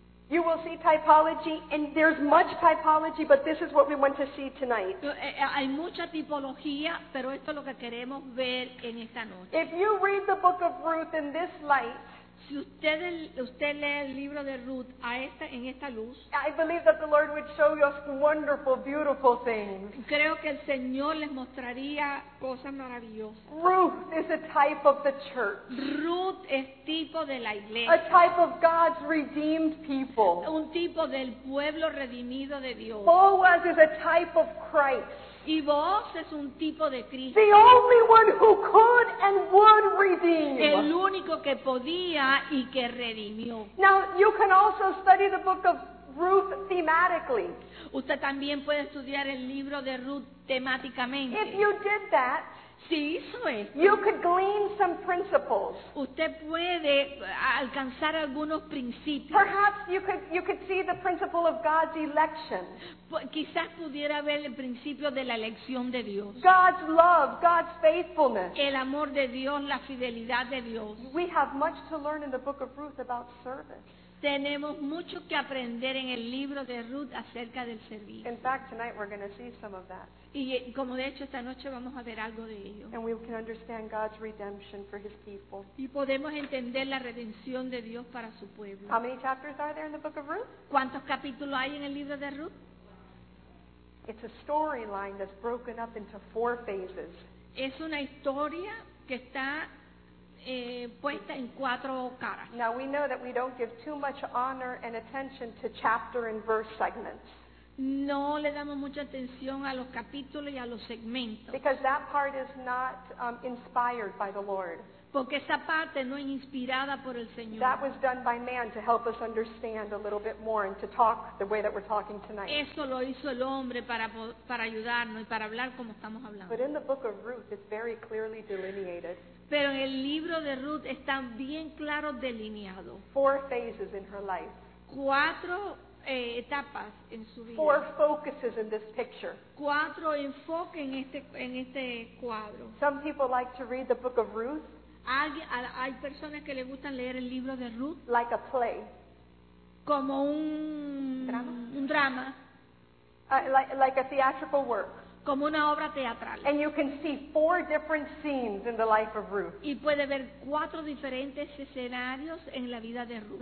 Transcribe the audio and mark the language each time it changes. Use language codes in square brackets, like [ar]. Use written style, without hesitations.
[en] You will see typology, and there's much typology, but this is what we want to see tonight. [es] Hay mucha tipología, pero esto es lo que queremos ver en esta noche. [en] If you read the book of Ruth in this light, [es] si usted, usted lee el libro de Ruth a esta, en esta luz, [en] I believe that the Lord would show us wonderful, beautiful things. [es] Creo que el Señor les mostraría cosas maravillosas. [en] Ruth is a type of the church. [es] Ruth es tipo de la iglesia. [en] A type of God's redeemed people. [es] Un tipo del pueblo redimido de Dios. [en] Boaz is a type of Christ. [es] Y vos es un tipo de Cristo. [en] The only one who could and would redeem. [es] El único que podía y que redimió. [en] Now, you can also study the book of Ruth thematically. [es] Usted también puede estudiar el libro de Ruth temáticamente. [en] If you did that, [es] si hizo esto, [en] you could glean some principles. [es] Usted puede alcanzar algunos principios. [en] Perhaps you could see the principle of God's election. [es] Quizás pudiera ver el principio de la elección de Dios. [en] God's love, God's faithfulness. [es] El amor de Dios, la fidelidad de Dios. [en] We have much to learn in the book of Ruth about service. [es] Tenemos mucho que aprender en el libro de Ruth acerca del servicio. [en] In fact, tonight we're going to see some of that. [es] Y como de hecho esta noche vamos a ver algo de ello. [en] And we can understand God's redemption for His people. [es] Y podemos entender la redención de Dios para su pueblo. [en] How many chapters are there in the book of Ruth? [es] ¿Cuántos capítulos hay en el libro de Ruth? [en] It's a storyline that's broken up into four phases. [es] Es una historia que está puesta en cuatro caras. [en] Now we know that we don't give too much honor and attention to chapter and verse segments. [es] No le damos mucha atención a los capítulos y a los segmentos. [en] Because that part is not inspired by the Lord. [es] Porque esa parte no es inspirada por el Señor. [en] That was done by man to help us understand a little bit more and to talk the way that we're talking tonight. [es] Eso lo hizo el hombre para ayudarnos y para hablar como estamos hablando. [en] But in the book of Ruth, it's very clearly delineated. [es] Pero en el libro de Ruth está bien claro delineado. [en] Four phases in her life. [es] Cuatro etapas en su vida. [en] Four focuses in this picture. [es] Cuatro enfoques en este cuadro. [en] Some people like to read the book of Ruth. [es] Hay personas que le gustan leer el libro de Ruth. [en] Like a play. [es] Como un drama. Un drama. [en] Like a theatrical work. [es] Como una obra teatral. [en] And you can see four different scenes in the life of Ruth. [es] Y puede ver cuatro diferentes escenarios en la vida de Ruth.